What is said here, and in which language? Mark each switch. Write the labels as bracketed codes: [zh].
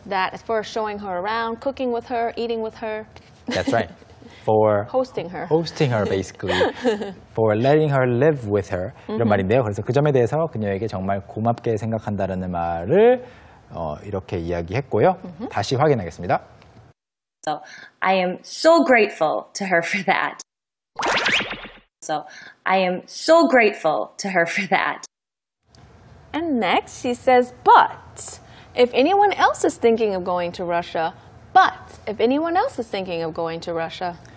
[en] That is for showing her around, cooking with her, eating with her. That's right. For hosting her. Hosting her basically. for letting her live with her [ko] 이런 말인데요. 그래서 그 점에 대해서 그녀에게 정말 고맙게 생각한다라는 말을 이렇게 이야기했고요. 다시 확인하겠습니다. [en] So, I am so grateful to her for that. So, I am so grateful to her for that. And next, she says, but if anyone else is thinking of going to Russia, but if anyone else is thinking of going to Russia.